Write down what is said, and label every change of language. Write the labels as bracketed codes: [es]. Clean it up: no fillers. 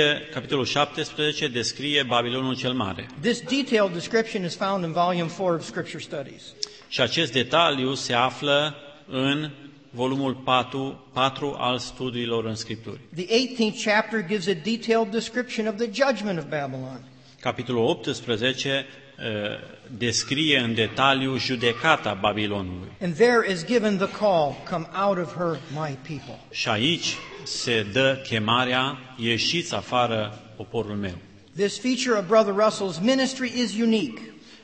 [ro] Capitolul 17 descrie Babilonul cel Mare. [en] This detailed description is found in volume 4 of Scripture Studies. [ro] Și acest detaliu se află în volumul 4 al studiilor în Scripturi. [en] The 18th chapter gives a detailed description of the judgment of Babylon. [ro] Capitolul 18 descrie în detaliu judecata Babilonului. [en] And there is given the call, come out of her, my people. [ro] Și aici se dă chemarea, ieșiți afară poporul meu. [en] This feature of Brother Russell's ministry is unique.